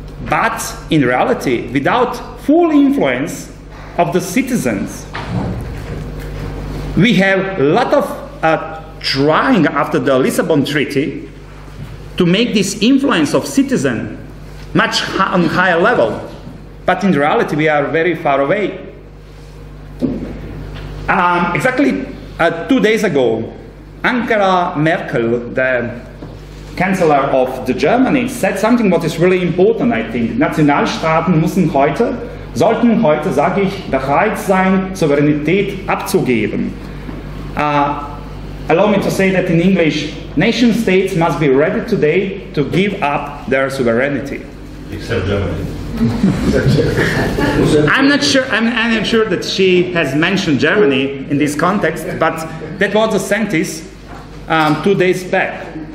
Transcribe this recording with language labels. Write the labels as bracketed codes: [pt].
[en] But in reality, without full influence of the citizens, we have a lot of trying after the Lisbon Treaty to make this influence of citizen much on higher level. But in reality, we are very far away. Exactly 2 days ago, Angela Merkel, the Chancellor of the Germany, said something what is really important, I think. [de] Nationalstaaten müssen heute, sollten heute, sage ich, bereit sein, Souveränität abzugeben. [en] Allow me to say that in English, nation states must be ready today to give up their sovereignty. Except Germany. I'm not sure that she has mentioned Germany in this context, but that was a sentence 2 days back.